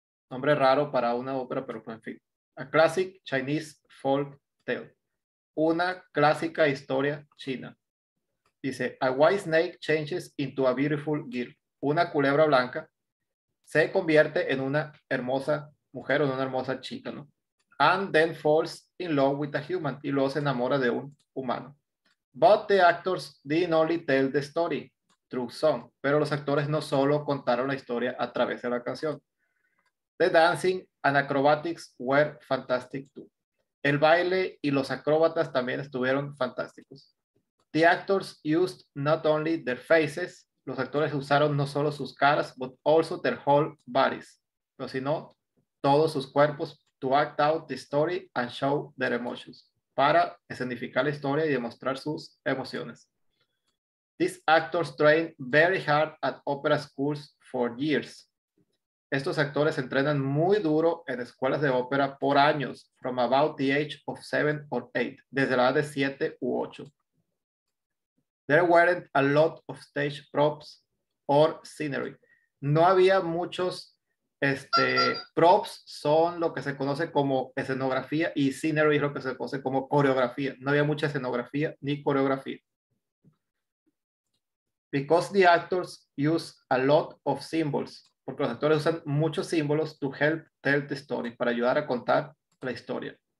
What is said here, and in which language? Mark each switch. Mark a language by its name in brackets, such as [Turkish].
[Spanish] Nombre raro para una ópera, pero en fin. [English] A classic Chinese folk tale. [Spanish] Una clásica historia china. Dice, [English] a white snake changes into a beautiful girl. [Spanish] Una culebra blanca se convierte en una hermosa mujer o en una hermosa chica, ¿no? [English] And then falls in love with a human. [Spanish] Y luego se enamora de un humano. [English] But the actors didn't only tell the story through song. [Spanish] Pero los actores no solo contaron la historia a través de la canción. [English] The dancing and acrobatics were fantastic too. [Spanish] El baile y los acróbatas también estuvieron fantásticos. [English] The actors used not only their faces. [Spanish] Los actores usaron no solo sus caras, [English] but also their whole bodies. [Spanish] Pero sino todos sus cuerpos. [English] To act out the story and show their emotions. [Spanish] Para escenificar la historia y demostrar sus emociones. [English] These actors trained very hard at opera schools for years. [Spanish] Estos actores entrenan muy duro en escuelas de ópera por años. [English] From about the age of 7 or 8. [Spanish] Desde la edad de 7 u 8. [English] There weren't a lot of stage props or scenery. [Spanish] No había muchos props son lo que se conoce como escenografía y scenery es lo que se conoce como coreografía. No había mucha escenografía ni coreografía. [English] Because the actors use a lot of symbols, [Spanish] porque los actores usan muchos símbolos [English] to help tell the story, [Spanish] para ayudar a contar la historia.